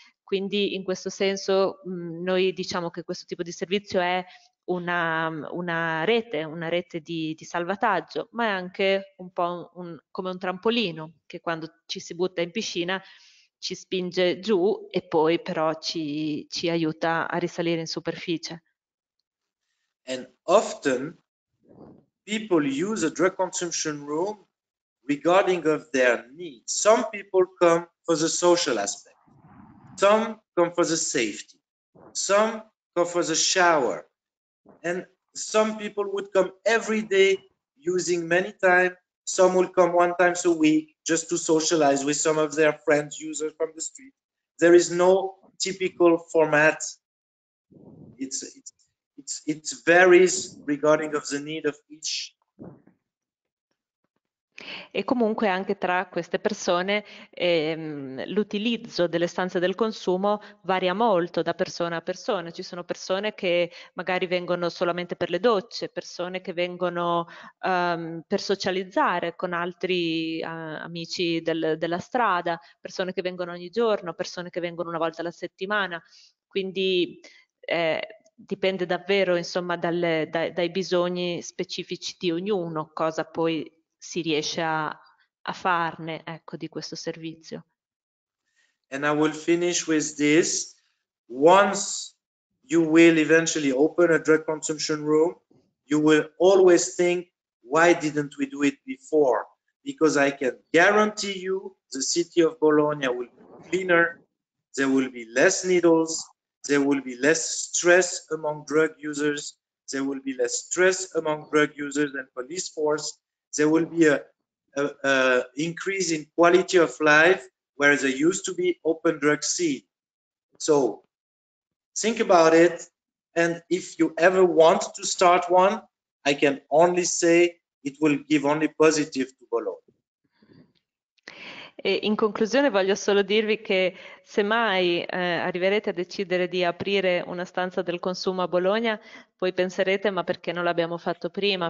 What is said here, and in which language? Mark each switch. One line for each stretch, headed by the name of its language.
Italian: Quindi in questo senso noi diciamo che questo tipo di servizio è una rete di salvataggio, ma è anche un po' come un trampolino, che quando ci si butta in piscina ci spinge giù e poi però ci aiuta a risalire in superficie.
English: And often people use a drug consumption room regarding of their needs. Some people come for the social aspect. Some come for the safety. Some come for the shower. And some people would come every day using many times. Some will come one time a week just to socialize with some of their friends, users from the street. There is no typical format. It varies regarding of the need of each.
Italian: E comunque anche tra queste persone l'utilizzo delle stanze del consumo varia molto da persona a persona. Ci sono persone che magari vengono solamente per le docce, persone che vengono per socializzare con altri amici della strada, persone che vengono ogni giorno, persone che vengono una volta alla settimana. Quindi dipende davvero, insomma, dai bisogni specifici di ognuno, cosa poi si riesce a farne, ecco, di questo servizio.
English: And I will finish with this. Once you will eventually open a drug consumption room, you will always think, why didn't we do it before? Because I can guarantee you the city of Bologna will be cleaner, there will be less needles, there will be less stress among drug users, there will be less stress among drug users and police force, there will be increase in quality of life where there used to be open drug scene. So think about it, and if you ever want to start one, I can only say it will give only positive to Bologna.
Italian: E in conclusione voglio solo dirvi che se mai arriverete a decidere di aprire una stanza del consumo a Bologna, poi penserete ma perché non l'abbiamo fatto prima?